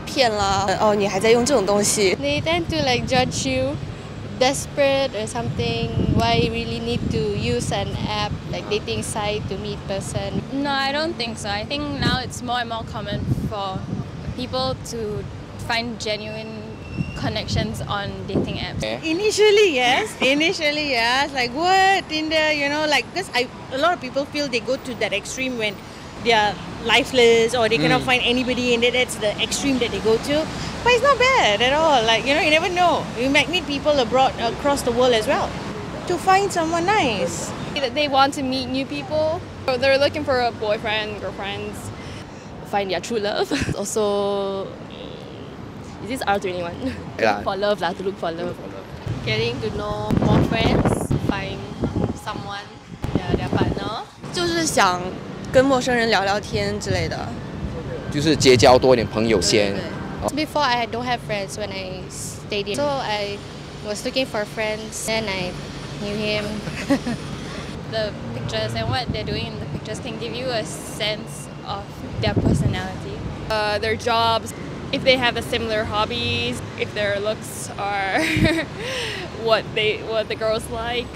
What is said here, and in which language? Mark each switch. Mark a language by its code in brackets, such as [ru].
[zh] 别人会觉得说你是不是被骗了，你还在用这种东西。 [en] They tend to like judge you desperate or something. Why you really need to use an app like dating site to meet person? No, I don't think so. I think now it's more and more common for people to find genuine connections on dating apps. Initially, yes. Like what? Tinder, you know, like because a lot of people feel they go to that extreme when they are lifeless or they cannot find anybody, and that's the extreme that they go to. But it's not bad at all. Like, you know, you never know. You might meet people abroad, across the world as well, to find someone nice. They want to meet new people. So they're looking for a boyfriend, girlfriends. Find their true love. Also, is this R21? Yeah. For love, to look for love. Getting to know more friends, find someone, their partner. [zh] 就是想 跟陌生人聊聊天之类的就是结交多一点朋友先对对对。 [en] Before I don't have friends when I stayed in. So I was looking for friends. Then I knew him. The pictures and what they're doing in the pictures can give you a sense of their personality. Their jobs, if they have a similar hobbies, if their looks are what the girls like.